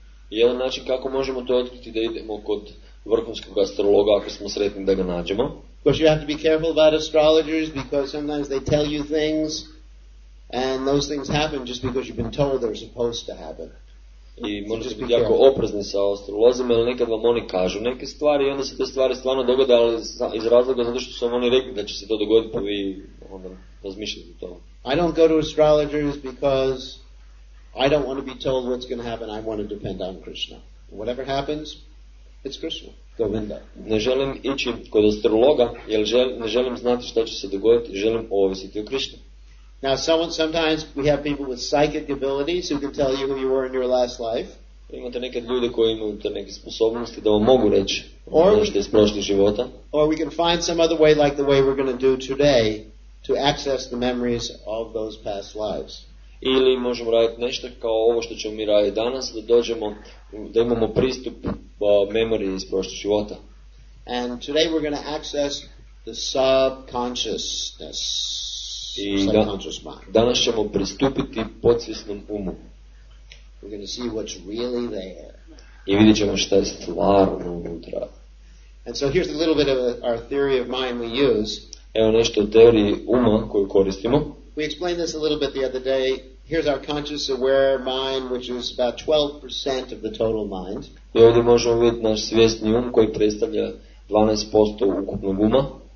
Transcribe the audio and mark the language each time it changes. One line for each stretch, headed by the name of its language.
Croatian: Jedan način kako možemo to otkriti da idemo kod vrhunskog astrologa ako smo sretni da ga nađemo.
English: Because you have to be careful about astrologers because sometimes they tell you things and those things happen just because you've been told they're supposed to happen.
Croatian: I možete biti jako oprezni sa astrologima, jer nekad vam oni kažu neke stvari i onda se te stvari stvarno dogode, ali iz razloga zato što su vam oni rekli da će se to dogoditi, pa vi onda razmišljate to.
English: I don't go to astrologers because I don't want to be told what's going to happen. I want to depend on Krishna. Whatever happens, it's Krishna. Govinda.
Croatian: Ne želim ići kod astrologa, jer ne želim znati što će se dogoditi. Želim ovisiti o Krishna.
English: Now, sometimes we have people with psychic abilities who can tell you who you were in your last life.
Croatian: Imate neke ljude koji imaju te neke sposobnosti da vam mogu reći nešto iz prošlog života.
English: Or we can find some other way, like the way we're going to do today, to access the memories of those past lives.
Croatian: Ili možemo raditi nešto kao ovo što ćemo mi raditi danas, da dođemo, da imamo pristup memoriji iz prošlog života.
English: And today we're going to access the subconsciousness, subconscious mind.
Croatian: Danas ćemo pristupiti podsvjesnom umu.
English: We're going to see what's really there.
Croatian: I vidjet ćemo šta je stvarno unutra.
English: And so here's a little bit of our theory of mind we use.
Croatian: Evo nešto o teoriji uma koju koristimo.
English: We explained this a little bit the other day. Here's our conscious aware mind, which is about 12% of the total mind.
Croatian: I ovdje možemo vidjeti naš svjesni um koji predstavlja 12% ukupnog uma.